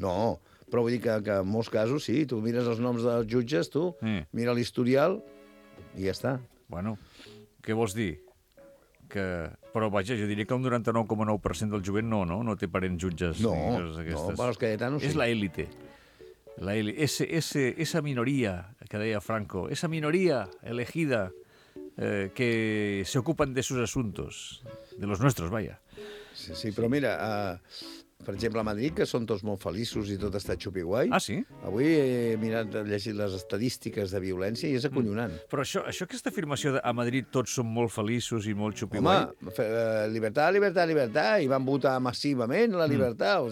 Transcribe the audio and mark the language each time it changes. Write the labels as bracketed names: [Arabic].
[Catalan] No, però vull dir que en molts casos sí. Tu mires els noms dels jutges, tu, mira l'historial i ja està. Bueno, què vols dir? Que... Però vaja, jo diria que un 99,9% del jovent no té parents jutges. No, no, però els Cayetano sí. És l'élite. [Spanish] Esa minoria que deia Franco, esa minoria elegida que se ocupan de sus asuntos, de los nuestros, vaya. [Catalan] Sí, sí, però mira... Per exemple, a Madrid, que són tots molt feliços i tot està xupiguai. Ah, sí? Avui he llegit les estadístiques de violència i és acollonant. Però això aquesta afirmació de a Madrid tots són molt feliços i molt xupiguai... Home, llibertat, llibertat, llibertat, i van votar massivament la llibertat.